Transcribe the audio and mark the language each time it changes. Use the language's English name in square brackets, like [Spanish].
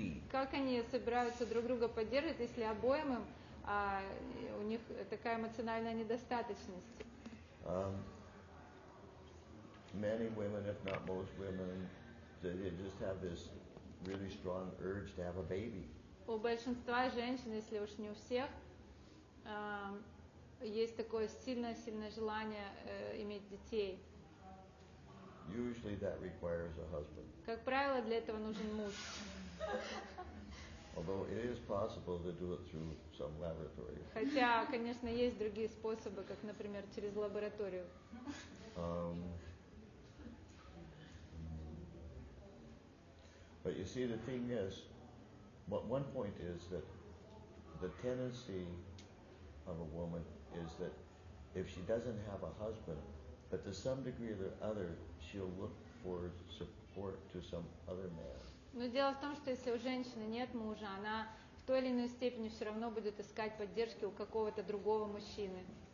[Russian] Как они собираются друг друга поддерживать, если обоим им у них такая эмоциональная недостаточность. [English] Many women, if not most women, they just have this really strong urge to have a baby. [Russian] У большинства женщин, если уж не у всех, есть такое сильное желание иметь детей. [English] Usually that requires a husband. [Russian] Как правило, для этого нужен муж. [English] Although it is possible to do it through some laboratory. [Russian] Хотя, конечно, есть другие способы, как, например, через лабораторию. [English] But you see, the thing is, one point is that the tendency of a woman is that if she doesn't have a husband, but to some degree or other, she'll look for support to some other man. [Russian] Но дело в том, что если у женщины нет мужа, она в той или иной степени все равно будет искать поддержки у какого-то другого мужчины.